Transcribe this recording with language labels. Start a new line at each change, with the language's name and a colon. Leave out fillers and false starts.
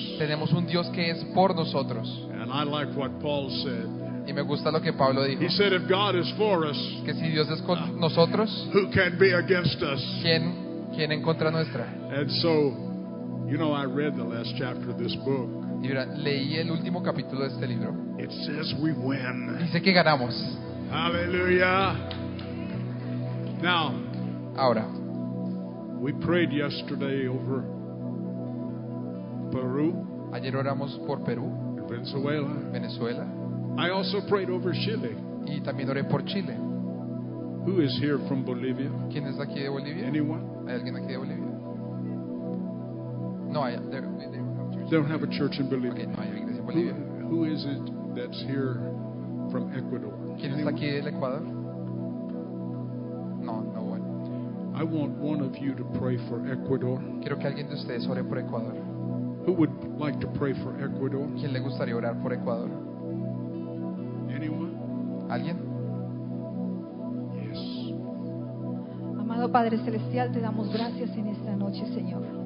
Spanish: Tenemos un Dios que es por nosotros.
English: And I like what Paul said.
Spanish: Y me gusta lo que Pablo dijo.
English: He said, if God is for us,
Spanish: que si Dios es con nosotros,
English: who can be against us?
Spanish: ¿Quién en contra nuestra?
English: And so, you know, I read the last chapter of this book.
Spanish: Y mira, leí el último capítulo de este libro.
English: It says we win.
Spanish: Dice que ganamos.
English: Hallelujah. Now,
Spanish: ahora.
English: We prayed yesterday over Peru.
Spanish: Ayer oramos por Perú.
English: Venezuela.
Spanish: Venezuela.
English: I also prayed over Chile.
Spanish: Y también oré por Chile.
English: Who is here from Bolivia?
Spanish: ¿Quién es aquí de Bolivia?
English: Anyone?
Spanish: ¿Hay alguien aquí de Bolivia? No,
English: they don't have a church in Bolivia.
Spanish: Okay, no hay iglesia en Bolivia.
English: Who is it that's here from Ecuador?
Spanish: ¿Quién está aquí del Ecuador?
English: I want one of you to pray for Ecuador.
Spanish: Quiero que alguien de ustedes ore por Ecuador.
English: Who would like to pray for Ecuador?
Spanish: ¿Quién le gustaría orar por Ecuador?
English: Anyone?
Spanish: ¿Alguien?
English: Yes.
Spanish: Amado Padre Celestial, te damos gracias en esta noche, Señor.